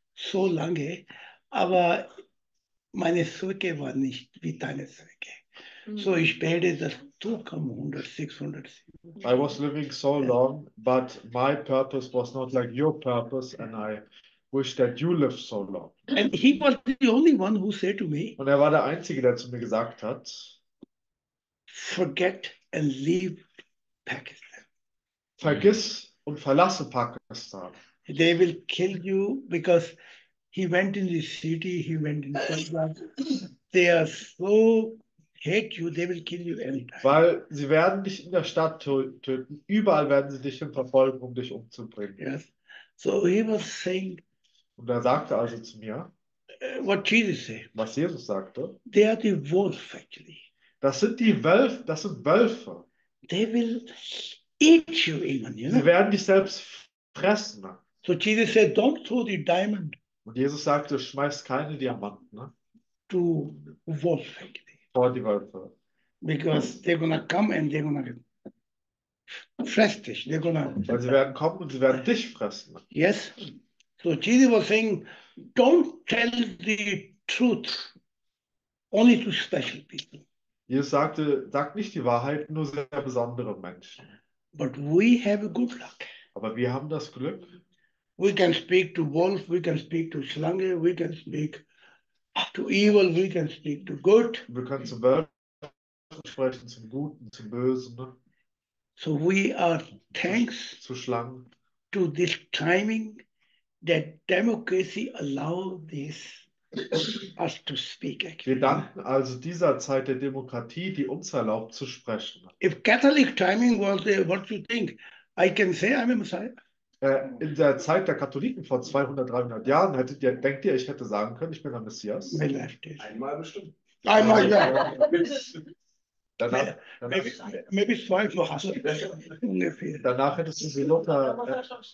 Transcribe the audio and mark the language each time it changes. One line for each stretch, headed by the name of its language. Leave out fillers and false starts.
German: so lange, aber meine Zwecke war nicht wie deine Zwecke. So ich bete, dass du komm 106.
English: I was living so long, but my purpose was not like your purpose, and I wish that you lived so long. And he was the only one who said to me.
German: Und er war der Einzige, der zu mir gesagt hat.
English: Forget and leave Pakistan.
German: Vergiss und verlasse Pakistan.
English: They will kill you because he went in the city, he went in Pakistan. They are so hate you, they will kill you anytime.
German: Weil sie werden dich in der Stadt töten. Überall werden sie dich in Verfolgung, um dich umzubringen.
English: Yes. So he was saying,
German: und er sagte also zu mir,
English: what Jesus said,
German: was Jesus sagte,
English: they are the wolf actually.
German: Das sind die Wölfe, das sind Wölfe.
English: They will eat you even, you know?
German: Sie werden dich selbst fressen.
English: So Jesus said, don't throw the diamond.
German: Und Jesus sagte, schmeiß keine Diamanten. Ne?
English: To wolf actually. For the world. Because they're gonna come and they're gonna
German: fress dich.
English: They're gonna.
German: Weil sie werden kommen und sie werden dich fressen.
English: Yes. So Jesus was saying, don't tell the truth only to special people.
German: Jesus sagte, sag nicht die Wahrheit nur sehr besondere Menschen.
English: But we have a good luck.
German: Aber wir haben das Glück.
English: We can speak to wolf. We can speak to Schlange. We can speak to evil, we can speak to good.
German: Wir können zum Wölfen sprechen, zum Guten, zum Bösen.
English: So we are thanks
German: zu Schlangen
English: to this timing that democracy allow this us to speak.
German: Wir danken also dieser Zeit der Demokratie, die uns erlaubt zu sprechen.
English: If Catholic timing was there, what do you think? I can say I'm a Messiah.
German: In der Zeit der Katholiken vor 200, 300 Jahren, hättet ihr, denkt ihr, ich hätte sagen können, ich bin der Messias? Einmal bestimmt. Einmal, ja. Danach,
English: maybe
German: zweimal. Ungefähr. Danach hättest du wie Luther.